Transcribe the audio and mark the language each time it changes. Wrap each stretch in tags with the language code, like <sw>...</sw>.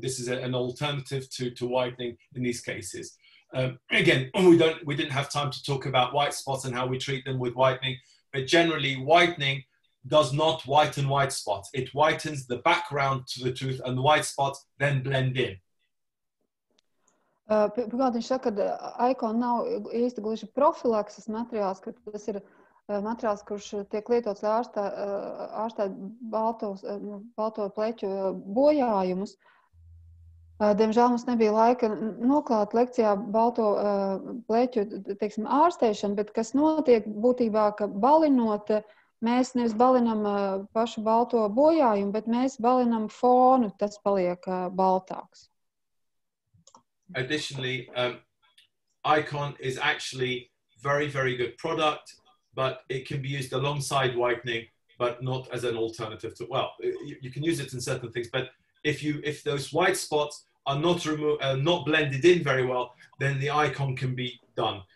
<en>This is an alternative to whitening in these cases. Again, we didn't have time to talk about white spots and how we treat them with whitening, but generally whitening does not whiten white spots. It whitens the background to the tooth and the white spots then blend in.</en> <lv>Pagaldi viņš saka, ka Icon nav īsti gluži profilakses materiāls, ka tas ir materiāls, kurš tiek lietots ārstēt balto pleķu bojājumus. Diemžēl mums nebija laika noklāt lekcijā balto pleķu, teiksim, ārstēšanu, bet kas notiek būtībā, ka balinot, mēs nevis balinam pašu balto bojājumu, bet mēs balinam fonu, tas paliek baltāks.</lv> <en>Additionally, Icon is actually very, very good product, but it can be used alongside whitening, but not as an alternative to, well, you can use it in certain things, but if those white spots are not not blended in very well, then the Icon can be done.</en>